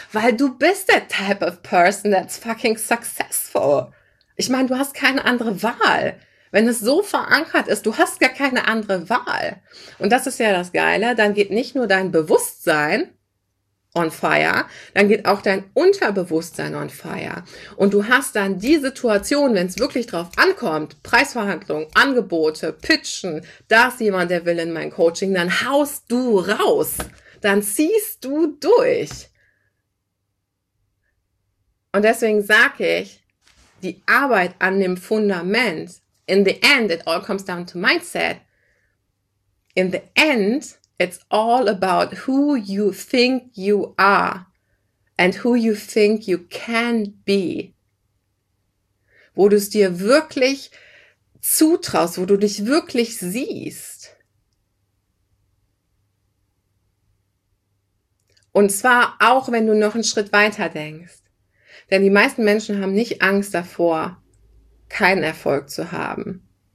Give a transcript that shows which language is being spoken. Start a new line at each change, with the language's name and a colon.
German: Weil du bist der
English: type of person that's fucking successful.
German: Ich meine, du hast keine andere Wahl. Wenn es so verankert ist, du hast gar keine andere Wahl. Und das ist ja das Geile. Dann geht nicht nur dein Bewusstsein
English: on fire,
German: dann geht auch dein Unterbewusstsein on fire. Und du hast dann die Situation, wenn es wirklich drauf ankommt, Preisverhandlungen, Angebote, Pitchen, da ist jemand, der will in mein Coaching, dann haust du raus. Dann ziehst du durch. Und deswegen sage ich, die Arbeit an dem Fundament,
English: in the end, it all comes down to mindset. In the end, it's all about who you think you are and who you think you can be.
German: Wo du es dir wirklich zutraust, wo du dich wirklich siehst. Und zwar auch, wenn du noch einen Schritt weiter denkst. Denn die meisten Menschen haben nicht Angst davor, keinen Erfolg zu haben.